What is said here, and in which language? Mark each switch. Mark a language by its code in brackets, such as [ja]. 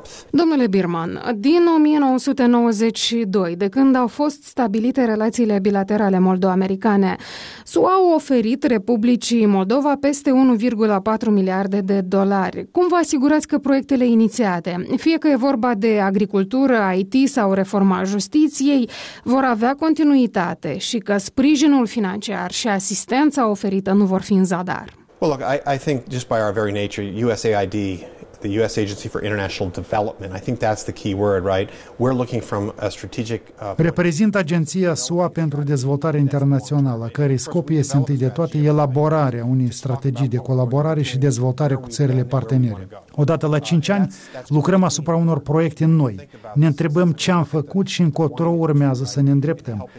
[ro] Domnule Birman, din 1992, de când au fost stabilite relațiile bilaterale moldo-americane, SUA au oferit Republicii Moldova peste 1,4 miliarde de dolari. Cum vă asigurați că proiectele inițiate, fie că e vorba de agricultură, IT sau reforma justiției, vor avea continuitate și că sprijinul financiar și asistența oferită nu vor fi în zadar? [en] Well, look, I think just by our very nature, USAID, the US Agency for International Development. I think that's the key word, right? We're looking from a strategic [ro] Reprezintă agenția SUA pentru dezvoltare internațională, care scopul este întâi de toate elaborarea unei strategii de colaborare și dezvoltare cu țările partenere. Odată la 5 ani, lucrăm asupra unor proiecte noi. Ne întrebăm ce am făcut și încotro urmează să ne îndreptăm.